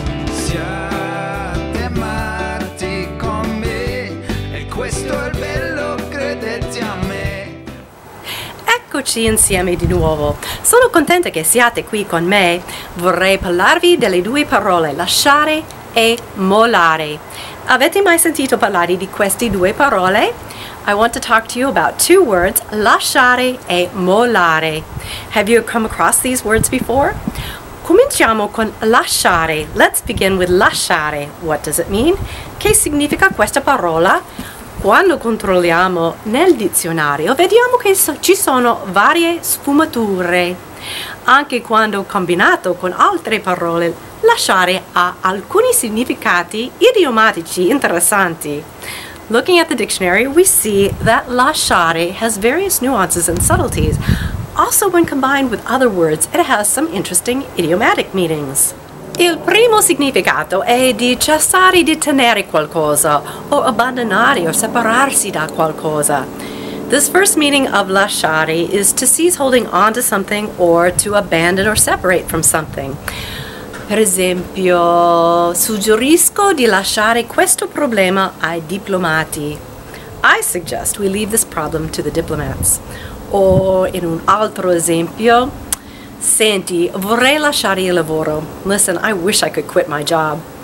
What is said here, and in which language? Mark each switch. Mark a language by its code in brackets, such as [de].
[it] Siate matti con me, e questo è il bello, credete a me. Eccoci insieme di nuovo. Sono contenta che siate qui con me. Vorrei parlarvi delle due parole lasciare e mollare. Avete mai sentito parlare di queste due parole? [en] I want to talk to you about two words, lasciare e mollare. Have you come across these words before? [it] Cominciamo con lasciare. [en] Let's begin with lasciare. What does it mean? [it] Che significa questa parola? Quando controlliamo nel dizionario, vediamo che ci sono varie sfumature. Anche quando combinato con altre parole, lasciare ha alcuni significati idiomatici interessanti. [en] Looking at the dictionary, we see that lasciare has various nuances and subtleties. Also, when combined with other words, it has some interesting idiomatic meanings. [it] Il primo significato è di cessare di tenere qualcosa, o abbandonare o separarsi da qualcosa. [en] This first meaning of lasciare is to cease holding on to something or to abandon or separate from something. [it] Per esempio, suggerisco di lasciare questo problema ai diplomati. [en] I suggest we leave this problem to the diplomats. [it] O in un altro esempio, senti, vorrei lasciare il lavoro. [en] Listen, I wish I could quit my job.